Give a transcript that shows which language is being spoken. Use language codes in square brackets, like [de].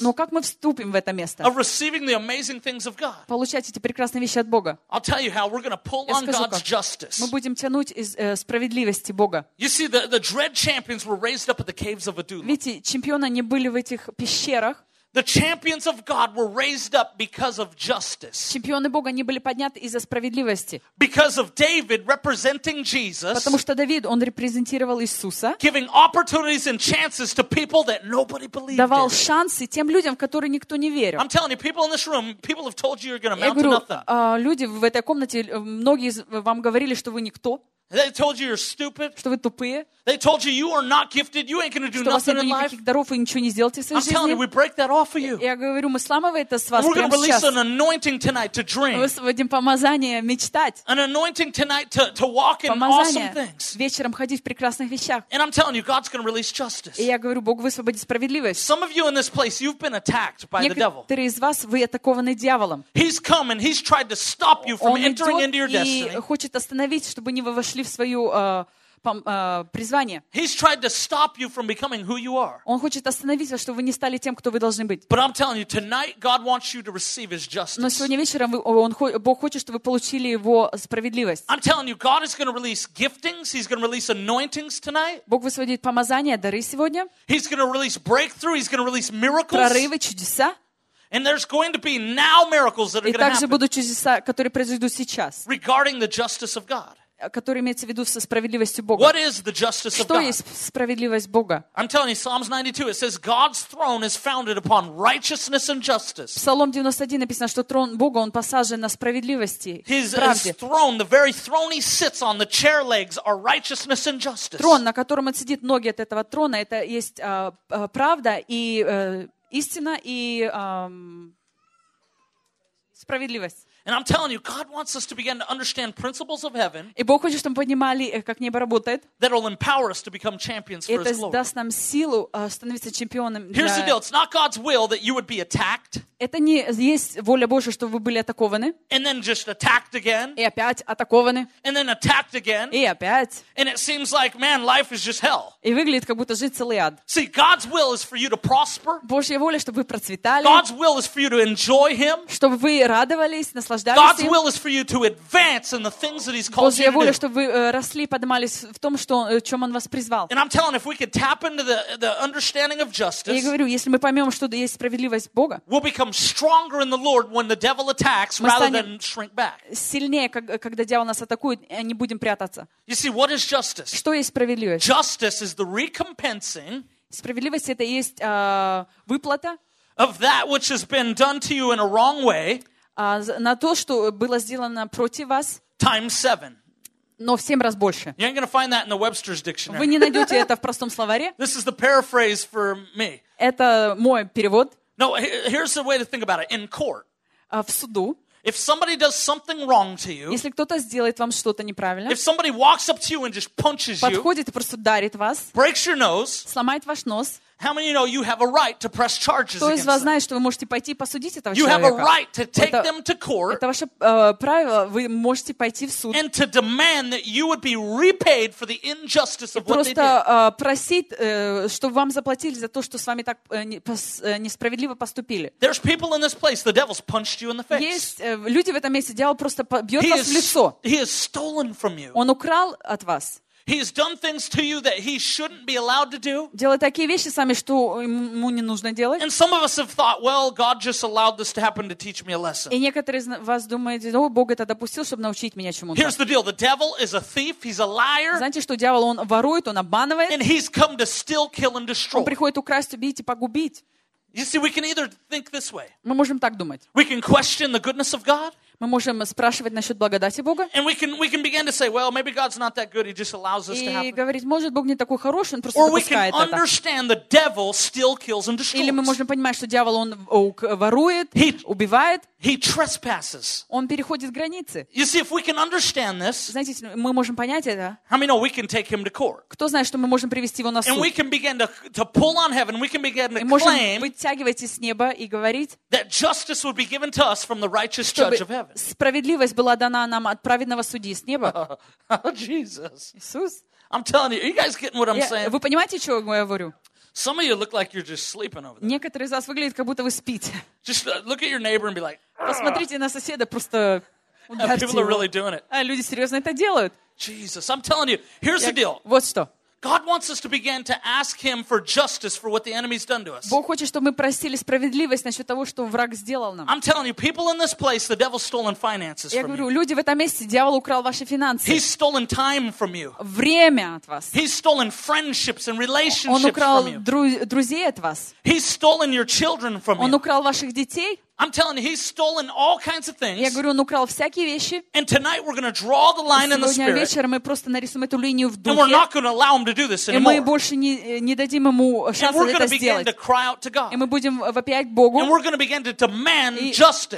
[ru] Но как мы вступим в это место? [en] Of receiving the amazing things of God. [ru] Получать эти прекрасные вещи от Бога. [en] I'll tell you how we're going to pull on God's justice. [ru] Мы будем тянуть из справедливости Бога. [en] You see, the dread champions were raised up at the caves of Adullam. [ru] Видите, чемпионы не были в этих пещерах. [en] The champions of God were raised up because of justice. [ru] Чемпионы Бога не были подняты из-за справедливости. [en] Because of David representing Jesus. [ru] Потому что Давид, он репрезентировал Иисуса. [en] Giving opportunities and chances to people that nobody believed. [ru] Давал шансы тем людям, в которые никто не верил. [en] I'm telling you, people in this room, people have told you you're going to mount to nothing. [ru] Люди в этой комнате, многие из вам говорили, что вы никто. [en] They told you you're stupid. [ru] Что вы тупые. [en] They told you you are not gifted. You ain't going to do nothing in life. [ru] Что вы ничего не сделаете в своей жизни. [en] I'm telling you, we break that off of you. [ru] Я говорю, мы сламываем это с вас. [en] We're going to release an anointing tonight to dream. [ru] Мы освободим помазание мечтать. [en] An anointing tonight to walk in awesome things. [ru] Вечером ходить в прекрасных вещах. [en] And I'm telling you, God's going to release justice. [ru] И я говорю, Бог высвободит справедливость. [en] Some of you in this place, you've been attacked by the devil. [ru] Некоторые из вас вы атакованы дьяволом. [en] He's come and he's tried to stop you from entering into your destiny. [ru] Он идет и хочет остановить, чтобы не вы вошли в свое призвание. [en] He's tried to stop you from becoming who you are. [ru] Он хочет остановить вас, чтобы вы не стали тем, кто вы должны быть. [en] But I'm telling you, tonight God wants you to receive His justice. [ru] Но сегодня вечером Бог хочет, чтобы вы получили Его справедливость. [en] I'm telling you, God is going to release giftings. He's going to release anointings tonight. [ru] Бог высвободит помазания, дары сегодня. [en] He's going to release breakthrough. He's going to release miracles. [ru] Прорывы, чудеса. [en] And there's going to be now miracles that are going to happen. [ru] И также будут чудеса, которые произойдут сейчас. [en] Regarding the justice of God. [ru] Который имеется в виду со справедливостью Бога. [en] What is the justice of God? [ru] Что есть справедливость Бога? [en] I'm telling you, Psalms 92, it says God's throne is founded upon righteousness and justice. [ru] Псалом 91 написано, что трон Бога, он посажен на справедливости. [en] His throne, the very throne he sits on, the chair legs are righteousness and justice. [ru] Трон, на котором он сидит, ноги от этого трона, это есть правда и истина и справедливость. [en] And I'm telling you, God wants us to begin to understand principles of heaven. [ru] И Бог хочет, чтобы мы понимали, как небо работает. [en] That will empower us to become champions for His glory. [ru] Это даст нам силу становиться чемпионами. [en] Here's the deal: it's not God's will that you would be attacked. [ru] Это не есть воля Божья, чтобы вы были атакованы. [en] And then just attacked again. [ru] И опять атакованы. [en] And then attacked again. [ru] И опять. [en] And it seems like, man, life is just hell. [ru] И выглядит, как будто жизнь целый ад. [en] See, God's will is for you to prosper. [ru] Божья воля, чтобы вы процветали. [en] God's will is for you to enjoy Him. [ru] Чтобы вы радовались, наслаждались. [en] God's will is for you to advance in the things that He's called you to do. [ru] Божья воля, чтобы вы росли, поднимались в том, что чем Он вас призвал. [en] And I'm telling, if we could tap into the understanding of justice. [ru] Я говорю, если мы поймем, что есть справедливость Бога. [en] We'll become stronger in the Lord when the devil attacks rather than shrink back. [ru] Сильнее, когда дьявол нас атакует, не будем прятаться. [en] You see, what is justice? [ru] Что есть справедливость? [en] Justice is the recompensing. [ru] Справедливость это есть выплата. [en] Of that which has been done to you in a wrong way. [ru] На то, что было сделано против вас. [en] Times 7. [ru] Но в 7 раз больше. [en] You ain't gonna find that in the Webster's dictionary. [ru] Вы не найдете это в простом словаре. [en] This is the paraphrase for me. [ru] Это мой перевод. [en] No, here's the way to think about it. In court. [ru] В суду. [en] If somebody does something wrong to you, [ru] если кто-то сделает вам что-то неправильно, [en] if somebody walks up to you and just punches you, [ru] подходит и просто ударит вас, [en] breaks your nose, [ru] сломает ваш нос, [en] how many know you have a right to press charges against them? [ru] Кто из вас знает, что вы можете пойти посудить этого [en] you [ru] человека? [en] You have a right to take them to court. [ru] Это ваше правило. Вы можете пойти в суд. [en] And to demand that you would be repaid for the injustice of what they did. [ru] Просто просить, чтобы вам заплатили за то, что с вами так несправедливо поступили. [en] There's people in this place. The devil's punched you in the face. [ru] Есть люди в этом месте. Дьявол просто бьет вас в лицо. [en] He has stolen from you. [ru] Он украл от вас. [en] He has done things to you that he shouldn't be allowed to do. [ru] Делает такие вещи сами, что ему не нужно делать. [en] And some of us have thought, well, God just allowed this to happen to teach me a lesson. [ru] И некоторые из вас думают, о, Бог это допустил, чтобы научить меня чему-то. [en] Here's the deal: the devil is a thief. He's a liar. [ru] Знаете, что дьявол он ворует, он обманывает. [en] And he's come to steal, kill, and destroy. [ru] Он приходит украсть, убить и погубить. [en] You see, we can either think this way. [ru] Мы можем так думать. [en] We can question the goodness of God. [ru] Мы можем спрашивать насчет благодати Бога. [en] And we can begin to say, well, maybe God's not that good. He just allows this to happen. [ru] И говорить, может, Бог не такой хороший, он просто [en] or [ru] допускает это. [en] Or we can understand the devil still kills and destroys. [ru] Или мы можем понимать, что дьявол он ворует, убивает. [en] He trespasses. [ru] Он переходит границы. [en] You see, if we can understand this, [ru] знаете, если мы можем понять это. [en] How many know we can take him to court? [ru] Кто знает, что мы можем привести его на суд? [en] And we can begin to pull on heaven. We can begin to claim. [ru] И можем вытягивать из неба и говорить. [en] That justice would be given to us from the righteous judge of heaven. [ru] Справедливость была дана нам от праведного судьи с неба. [en] Jesus. [ru] Иисус. [en] I'm telling you, are you guys getting what I'm saying? [ru] Вы понимаете, что я говорю? [en] Some of you look like you're just sleeping over there. [ru] Некоторые из вас выглядят, как будто вы спите. [en] Just look at your neighbor and be like. [ru] Посмотрите на соседа, просто. [en] People are really doing it. [ru] А люди серьезно это делают? [en] Jesus, I'm telling you, here's the deal. [ru] Вот что. [en] God wants us to begin to ask Him for justice for what the enemy's done to us. [ru] Бог хочет, чтобы мы просили справедливость насчет того, что враг сделал нам. [en] I'm telling you, people in this place, the devil's stolen finances from you. [ru] Я говорю, люди в этом месте, дьявол украл ваши финансы. [en] He's stolen time from you. [ru] Время от вас. [en] He's stolen friendships and relationships from you. [ru] Он украл друзей от вас. [en] He's stolen your children from you. [ru] Он украл ваших детей. [en] I'm telling you, he's stolen all kinds of things. [ru] Я говорю, он украл всякие вещи. [en] And tonight we're going to draw the line in the spirit. [ru] Сегодня вечером мы просто нарисуем эту линию в духе. [en] And we're not going to allow him to do this anymore. [ru] И мы больше не дадим ему шанса это сделать. [en] And we're going to begin to cry out to God. [ru] И мы будем вопиять Богу. [en] And we're going to begin to demand justice.